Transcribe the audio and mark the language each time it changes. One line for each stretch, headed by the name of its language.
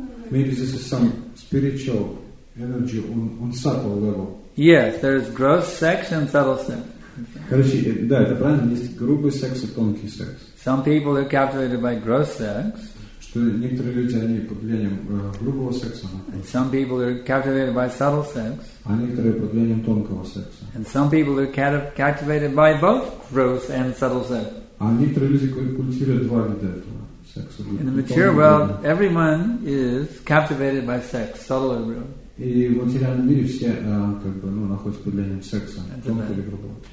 English: Maybe this is some spiritual energy on subtle level. Yes, there is gross sex and subtle sex.
Russian: Короче, да, это правильно. Есть грубый секс и тонкий секс.
English: Some people are captivated by gross sex.
Russian: Что некоторые люди они под влиянием грубого секса.
English: Some people are captivated by subtle sex.
Russian: А некоторые под влиянием тонкого секса.
English: And some people are captivated by both gross and subtle sex.
Russian: А некоторые люди культивируют два вида этого секса.
English: In the material world, everyone is captivated by sex, subtle or gross.
Russian: И в материальном мире все как бы ну находятся под влиянием секса, тонкого или грубого.